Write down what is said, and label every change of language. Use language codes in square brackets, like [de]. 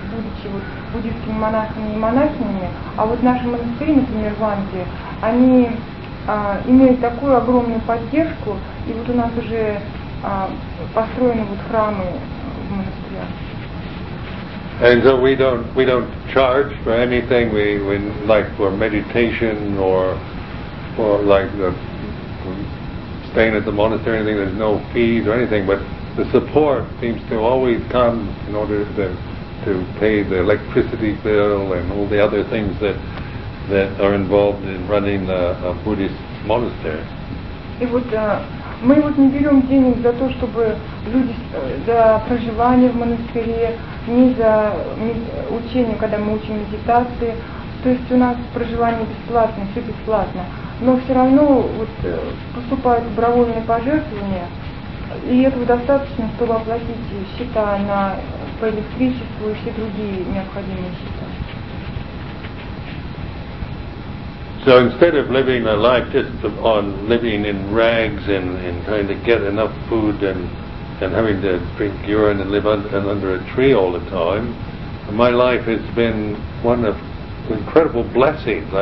[ru] будучи вот буддийскими монахами и монахинями, а вот наши монастыри, например, в Англии, они имеют такую огромную поддержку, и вот у нас уже построены вот храмы в монастырях. [en] And so we don't charge for anything. We like for meditation or like the staying at the monastery, anything. There's no fees or anything, but the support seems to always come in order to pay the electricity bill and all the other things that are involved in running a Buddhist monastery. [ru] И вот мы вот не берем денег за то, чтобы люди за проживание в монастыре, не за учение, когда мы учим медитации. То есть у нас проживание бесплатно, все бесплатно. Но все равно вот поступают добровольные пожертвования, и этого достаточно, чтобы оплатить счета на по электричеству и все другие необходимые счета. [en] So instead of living a life just on living in rags and trying to get enough food and having to drink urine and live under a tree all the time, my life has been one of incredible blessings.